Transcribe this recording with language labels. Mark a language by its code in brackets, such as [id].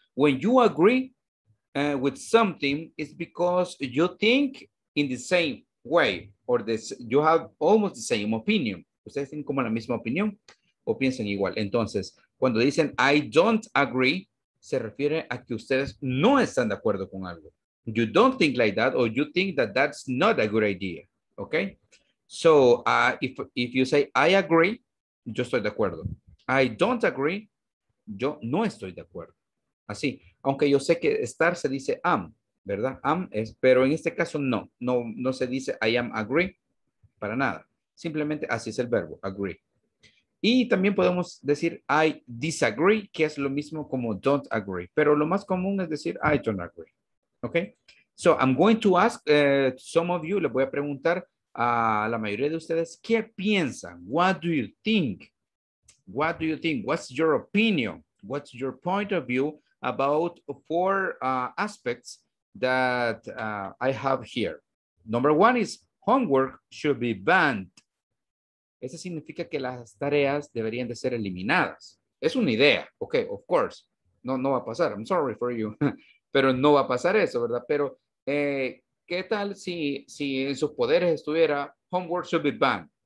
[en] When you agree with something, it's because you think in the same way, or this, you have almost the same opinion. [es] ¿Ustedes tienen como la misma opinión o piensan igual? Entonces, cuando dicen [en] I don't agree, [es] se refiere a que ustedes no están de acuerdo con algo. [en] You don't think like that, or you think that that's not a good idea. Okay? So, if you say I agree, [es] yo estoy de acuerdo. [en] I don't agree, [es] yo no estoy de acuerdo. Así, aunque yo sé que estar se dice am. ¿Verdad? Am es, pero en este caso no, no, no se dice [en] I am agree [es] para nada. Simplemente así es el verbo, agree. Y también podemos decir [en] I disagree, [es] que es lo mismo como [en] don't agree. [es] Pero lo más común es decir [en] I don't agree. ¿Ok? So I'm going to ask some of you, [es] les voy a preguntar a la mayoría de ustedes, ¿qué piensan? [en] What do you think? What do you think? What's your opinion? What's your point of view about four aspects that I have here? Number one is homework should be banned. [es] Eso significa que las tareas deberían de ser eliminadas. Es una idea. [en] Okay, of course. [es] No, no va a pasar. [en] I'm sorry for you. [es] Pero no va a pasar eso, ¿verdad? Pero, ¿qué tal si en sus poderes estuviera [en] homework should be banned?